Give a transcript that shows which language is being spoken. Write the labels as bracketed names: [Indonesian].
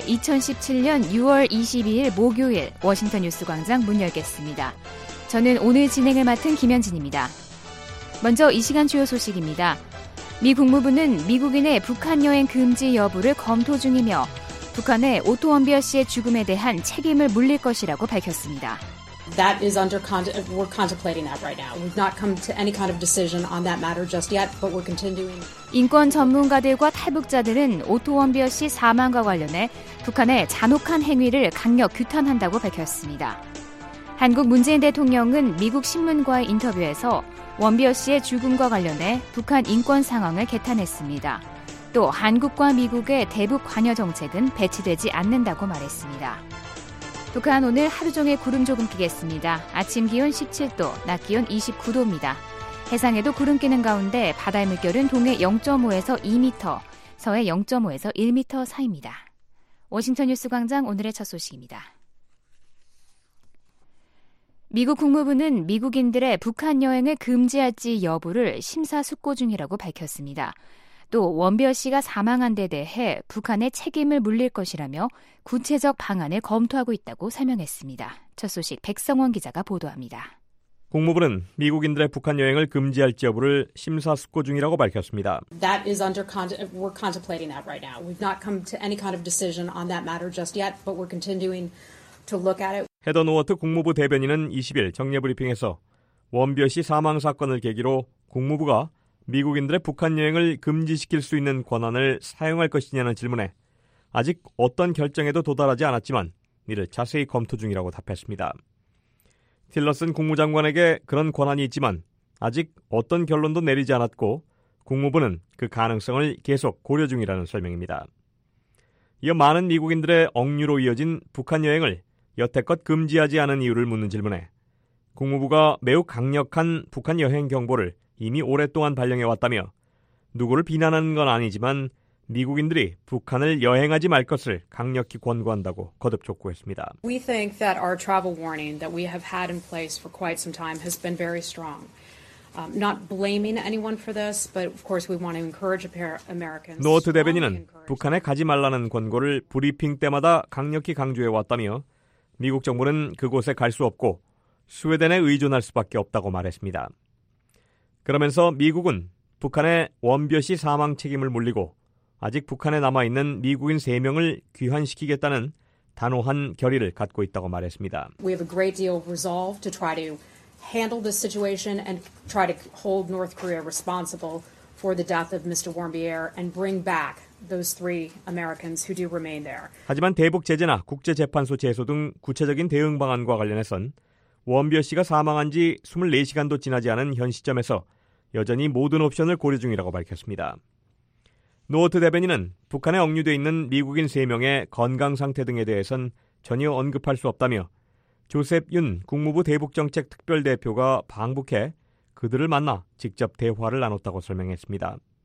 [Korean] 2017년 6월 22일 목요일 워싱턴 뉴스 광장 문 열겠습니다. 저는 오늘 진행을 맡은 김현진입니다. 먼저 이 시간 주요 소식입니다. 미 국무부는 미국인의 북한 여행 금지 여부를 검토 중이며 북한의 오토 원비어 씨의 죽음에 대한 책임을 물릴 것이라고 밝혔습니다. [English] That is under we're contemplating that right now. We've not come to any kind of decision on that matter just yet, but we're continuing. [Korean] 인권 전문가들과 탈북자들은 오토 원비어 씨 사망과 관련해 북한의 잔혹한 행위를 강력 규탄한다고 밝혔습니다. 한국 문재인 대통령은 미국 신문과의 인터뷰에서 원비어 씨의 죽음과 관련해 북한 인권 상황을 개탄했습니다. 또 한국과 미국의 대북 관여 정책은 배치되지 않는다고 말했습니다. 북한 오늘 하루 종일 구름 조금 끼겠습니다. 아침 기온 17도, 낮 기온 29도입니다. 해상에도 구름 끼는 가운데 바다의 물결은 동해 0.5에서 2m, 서해 0.5에서 1m 사이입니다. 워싱턴 뉴스 광장 오늘의 첫 소식입니다. 미국 국무부는 미국인들의 북한 여행을 금지할지 여부를 심사숙고 중이라고 밝혔습니다. 또 원비어 씨가 사망한 데 대해 북한의 책임을 물릴 것이라며 구체적 방안을 검토하고 있다고 설명했습니다. 첫 소식 백성원 기자가 보도합니다. 국무부는 미국인들의 북한 여행을 금지할지 여부를 심사숙고 중이라고 밝혔습니다. [English] That is under we're contemplating that right now. We've not come to any kind of decision on that matter just yet, but we're continuing to look at it. [Korean] 헤더 노워트 국무부 대변인은 20일 정례 브리핑에서 원비어 씨 사망 사건을 계기로 국무부가 미국인들의 북한 여행을 금지시킬 수 있는 권한을 사용할 것이냐는 질문에 아직 어떤 결정에도 도달하지 않았지만 이를 자세히 검토 중이라고 답했습니다. 틸러슨 국무장관에게 그런 권한이 있지만 아직 어떤 결론도 내리지 않았고 국무부는 그 가능성을 계속 고려 중이라는 설명입니다. 이어 많은 미국인들의 억류로 이어진 북한 여행을 여태껏 금지하지 않은 이유를 묻는 질문에 국무부가 매우 강력한 북한 여행 경보를 이미 오랫동안 발령해왔다며 누구를 비난하는 건 아니지만 미국인들이 북한을 여행하지 말 것을 강력히 권고한다고 거듭 촉구했습니다. [English] We think that our travel warning that we have had in place for quite some time has been very strong. Not blaming anyone for this, but of course we want to encourage Americans. [Korean] 노어트 대변인은 북한에 가지 말라는 권고를 브리핑 때마다 강력히 강조해왔다며 미국 정부는 그곳에 갈 수 없고 스웨덴에 의존할 수밖에 없다고 말했습니다. 그러면서 미국은 북한의 원비어 씨 사망 책임을 물리고 아직 북한에 남아있는 미국인 3명을 귀환시키겠다는 단호한 결의를 갖고 있다고 말했습니다. [English] We have a great deal of resolve to try to handle this situation and try to hold North Korea responsible for the death of Mr. Warmbier and bring back those three Americans who do remain there. [Korean] 하지만 대북 제재나 국제재판소 제소 등 구체적인 대응 방안과 관련해선 원비어 씨가 사망한 지 24시간도 지나지 않은 현 시점에서 여전히 모든 옵션을 고려 중이라고 밝혔습니다. 노어트 대변인은 북한에 억류돼 있는 미국인 3명의 건강 상태 등에 대해선 전혀 언급할 수 없다며 조셉 윤 국무부 대북정책특별대표가 방북해 그들을 만나 직접 대화를 나눴다고 설명했습니다.